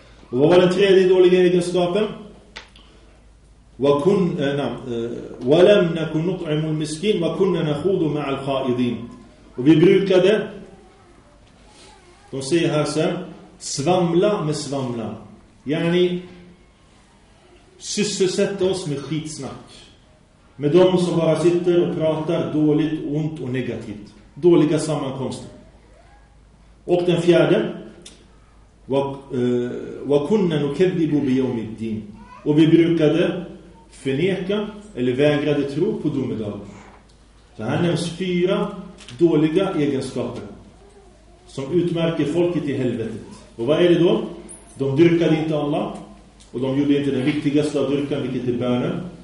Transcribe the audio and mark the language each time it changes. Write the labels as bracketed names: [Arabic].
[Swedish] Och vad var den tredje dåliga egenskapen? [Arabic] وَلَمْ نَكُنْ نُطْعِمُ الْمِسْكِينَ وَكُنَّ نَخُوضُ مَعَ الْخَائِضِينَ. [Swedish] Och vi brukade, de säger här sen, svamla med svamla. Yani, sysselsätta oss med skitsnack. Med de som bara sitter och pratar dåligt, ont och negativt. Dåliga sammankomster. Och den fjärde, [Arabic] وَكُنَّ نُكَذِّبُ بِيَوْمِ الدِّينَ. [Swedish] Och vi brukade förneka eller vägrade tro på domedagen. Så här nämns fyra dåliga egenskaper som utmärker folket i helvetet. Och vad är det då? De dyrkade inte Allah, och de gjorde inte den viktigaste av dyrkan, vilket är bönen.